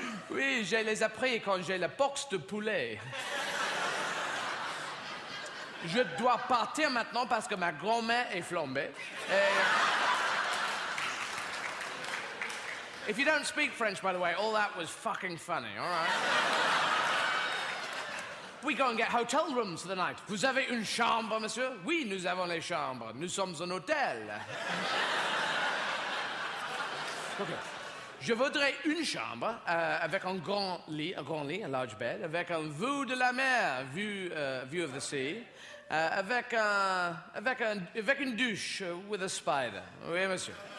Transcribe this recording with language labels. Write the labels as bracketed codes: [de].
[fr] Oui, je les appris quand j'ai la boxe de poulet. Je dois partir maintenant parce que ma grand-mère est flambée. Et [en] If you don't speak French, by the way, all that was fucking funny, all right? We go and get hotel rooms for the night. [fr] Vous avez une chambre, monsieur? Oui, nous avons les chambres. Nous sommes un hôtel. OK. Je voudrais une chambre avec un grand lit, [en] a large bed, [fr] avec un vue de la mer, [en] view of the sea, [fr] avec une douche [en] with a spider. [fr] Oui, monsieur.